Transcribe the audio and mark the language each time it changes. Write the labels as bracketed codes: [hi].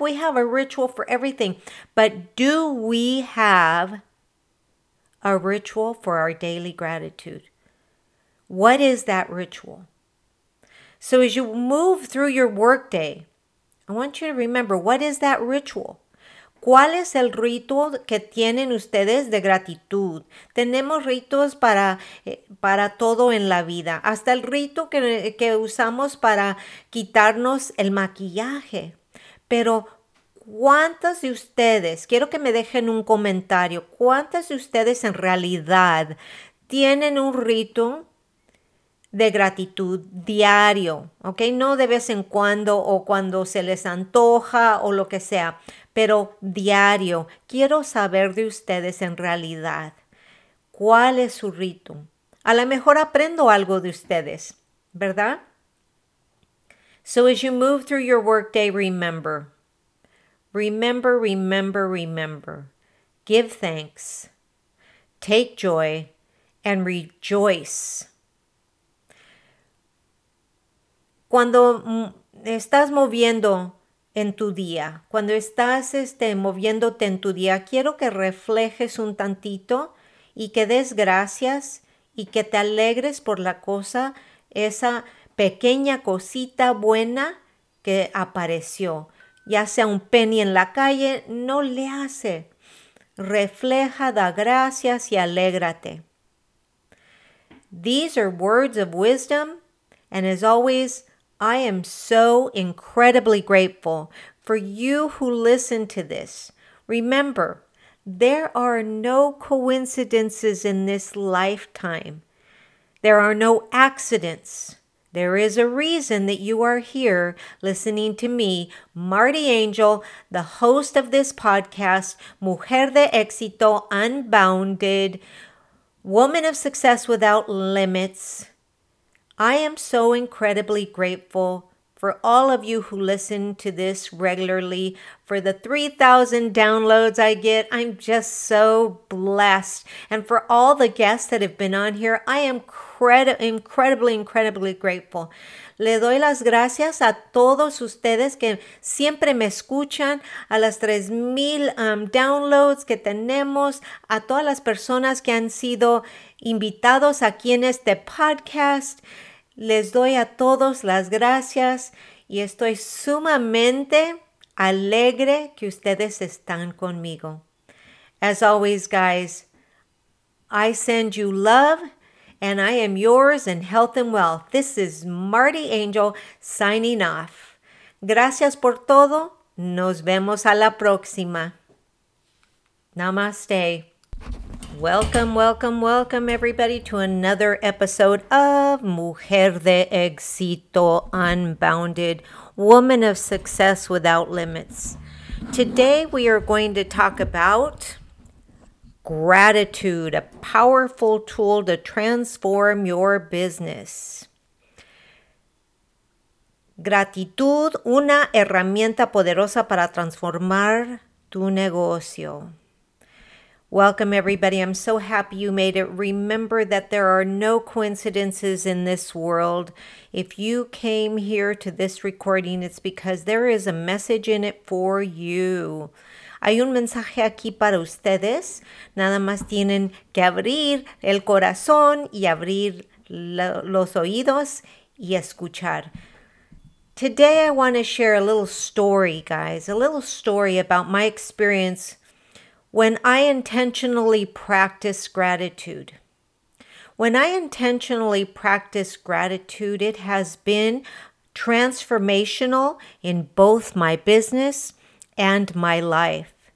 [en] We have a ritual for everything. But do we have a ritual for our daily gratitude? What is that ritual? So as you move through your workday, I want you to remember, what is that ritual? [es] ¿Cuál es el rito que tienen ustedes de gratitud? Tenemos ritos para todo en la vida. Hasta el rito que usamos para quitarnos el maquillaje. Pero ¿cuántas de ustedes, quiero que me dejen un comentario, cuántas de ustedes en realidad tienen un rito de gratitud diario, ok? No de vez en cuando o cuando se les antoja o lo que sea, pero diario. Quiero saber de ustedes en realidad, ¿cuál es su rito? A lo mejor aprendo algo de ustedes, ¿verdad? [en] So as you move through your workday, remember. Remember, remember, remember. Give thanks, take joy, and rejoice. [es] Cuando estás moviendo en tu día, cuando estás moviéndote en tu día, quiero que reflejes un tantito y que des gracias y que te alegres por la cosa, esa pequeña cosita buena que apareció. Ya sea un penny en la calle, no le hace. Refleja, da gracias y alégrate. [en] These are words of wisdom, and as always, I am so incredibly grateful for you who listen to this. Remember, there are no coincidences in this lifetime. There are no accidents. There is a reason that you are here listening to me, Marty Angel, the host of this podcast, Mujer de Éxito Unbounded, Woman of Success Without Limits. I am so incredibly grateful for all of you who listen to this regularly, for the 3,000 downloads I get. I'm just so blessed. And for all the guests that have been on here, I am incredibly grateful. [es] Le doy las gracias a todos ustedes que siempre me escuchan, a las 3,000 downloads que tenemos, a todas las personas que han sido invitados aquí en este podcast. Les doy a todos las gracias y estoy sumamente alegre que ustedes están conmigo. [en] As always, guys, I send you love and I am yours in health and wealth. This is Marty Angel signing off. [es] Gracias por todo. Nos vemos a la próxima. Namaste. [en] Welcome, welcome, welcome, everybody, to another episode of Mujer de Éxito Unbounded, Woman of Success Without Limits. Today, we are going to talk about gratitude, a powerful tool to transform your business. [es] Gratitud, una herramienta poderosa para transformar tu negocio. [en] Welcome, everybody. I'm so happy you made it. Remember that there are no coincidences in this world. If you came here to this recording, it's because there is a message in it for you. [es] Hay un mensaje aquí para ustedes. Nada más tienen que abrir el corazón y abrir los oídos y escuchar. [en] Today, I want to share a little story, guys, a little story about my experience when I intentionally practice gratitude. When I intentionally practice gratitude, it has been transformational in both my business and my life.